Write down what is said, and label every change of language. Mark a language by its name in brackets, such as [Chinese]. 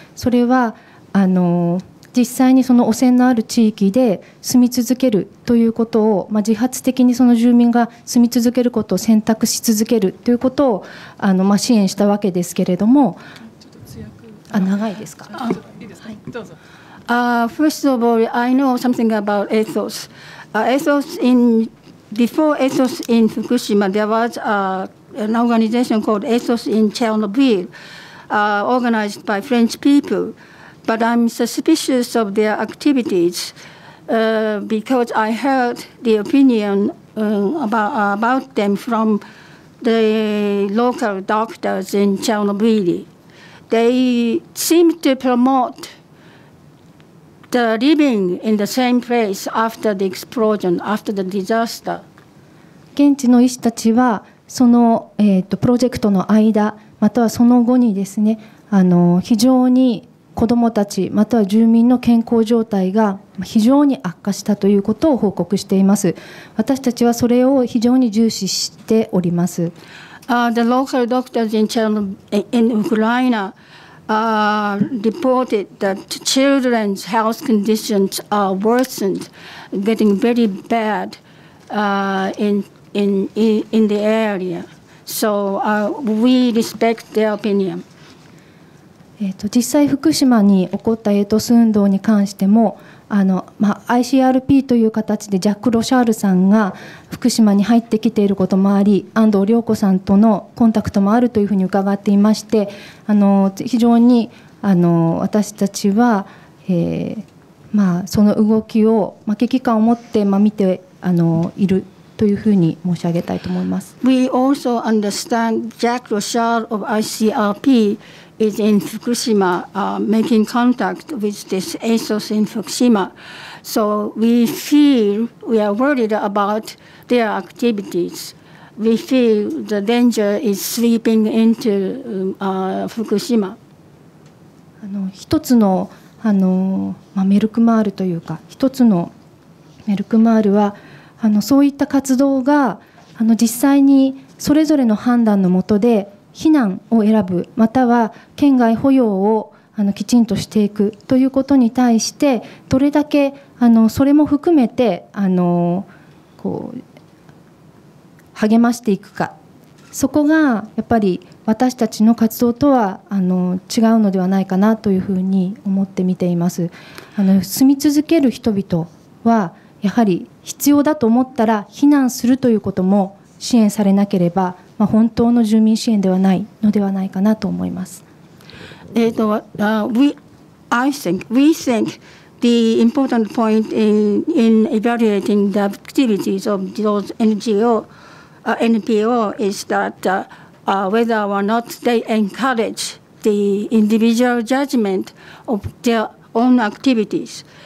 [Japanese] それはあの実際にその汚染のある地域で住み続けるということを、まあ、自発的にその住民が住み続けることを選択し続けるということをあの、まあ、支援したわけですけれども、あ長いですか、 [English] はい、First of all, I know something about ethos. Ethos in, before ethos in Fukushima, there was an organization called ethos in Chernobyl, organized by French people. But I'm suspicious of their activities because I heard the opinion about them from the local doctors in Chernobyl. They seem to promote the living in the same place after the explosion, after the disaster. [Japanese] 現地の医師たちはその、プロジェクトの間またはその後にですね、あの非常に子どもたちまたは住民の健康状態が非常に悪化したということを報告しています。私たちはそれを非常に重視しております。 [English] The local doctors in Ukraine reported that children's health conditions are worsened, getting very bad in the area. So we respect their opinion. [Japanese] 実際福島に起こったエイトス運動に関しても、あの、まあ、ICRP という形でジャック・ロシャールさんが福島に入ってきていることもあり、安藤涼子さんとのコンタクトもあるというふうに伺っていまして、あの非常にあの私たちは、その動きを、まあ、危機感を持って、まあ、見てあのいるというふうに申し上げたいと思います。 [English] We also understand Jack Rochelle of ICRPis in Fukushima, making contact with this ASOS in Fukushima. So we feel, we are worried about their activities. we feel the danger is sweeping into Fukushima. [Japanese] あの一つのあの、まあ、メルクマールというか一つのメルクマールはあのそういった活動があの実際にそれぞれの判断のもとで避難を選ぶまたは県外保養をあのきちんとしていくということに対してどれだけあのそれも含めてあのこう励ましていくかそこがやっぱり私たちの活動とはあの違うのではないかなというふうに思って見ています。あの住み続ける人々はやはり必要だと思ったら避難するということも支援されなければ、まあ、本当の住民支援ではないのではないかなと思います。 [English] I think the important point in evaluating the activities of those NGO NPO is that whether or not they encourage the individual judgment of their own activities.